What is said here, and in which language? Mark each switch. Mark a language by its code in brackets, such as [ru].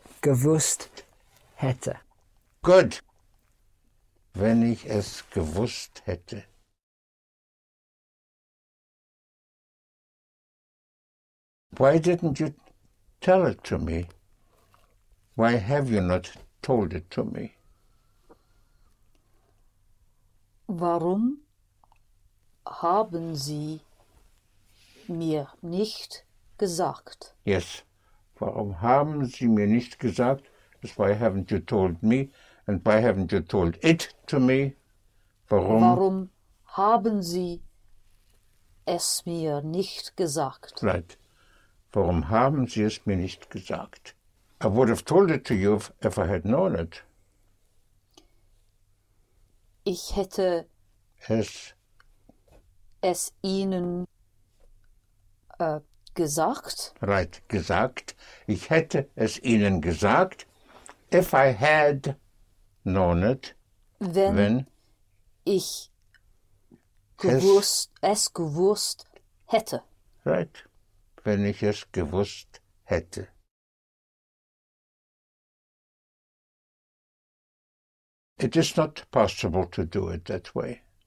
[de] Wenn ich es gewusst hätte. [en] Good. [de] Wenn ich es gewusst hätte. [en] Why didn't you tell it to me? Why have you not told it to me? [de] Warum haben Sie mir nicht gesagt? [en] Yes. [de] Warum haben Sie mir nicht gesagt? [en] It's why haven't you told me? And why haven't you told it to me? [de] Warum haben Sie es mir nicht gesagt? [en] Right. [de] Warum haben Sie es mir nicht gesagt? [en] I would have told it to you if I had known it. [de] Ich hätte es Ihnen gesagt. [en] Right, gesagt. [de] Ich hätte es Ihnen gesagt, [en] if I had known it. [de] Wenn ich es gewusst hätte. Right, wenn ich es gewusst hätte. [en] It is not possible to do it that way.